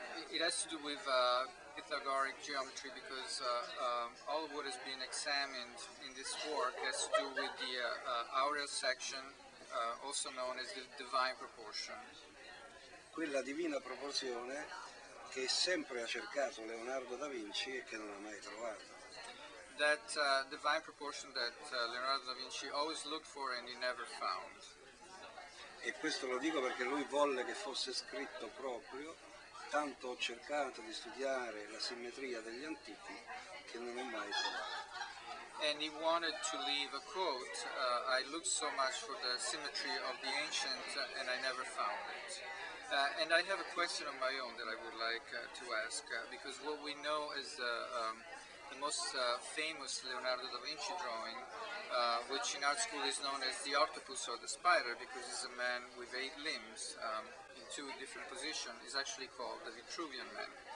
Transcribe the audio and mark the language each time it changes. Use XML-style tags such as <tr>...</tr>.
<en>It has to do with Pythagoric geometry, because all of what has been examined in this work has to do with the aureal section, also known as the divine proportion.</en> <it>Quella divina proporzione che sempre ha cercato Leonardo da Vinci e che non ha mai trovato.</it> <en>That divine proportion that Leonardo da Vinci always looked for and he never found.</en> <it>E questo lo dico perché lui volle che fosse scritto proprio, tanto ho cercato di studiare la simmetria degli antichi che non ho mai trovato.</it> <en>And he wanted to leave a quote, I looked so much for the symmetry of the ancient and I never found it. And I have a question of my own that I would like to ask, because what we know is the most famous Leonardo da Vinci drawing, which in art school is known as the octopus or the spider, because it's a man with eight limbs in two different positions, is actually called the Vitruvian Man.</en>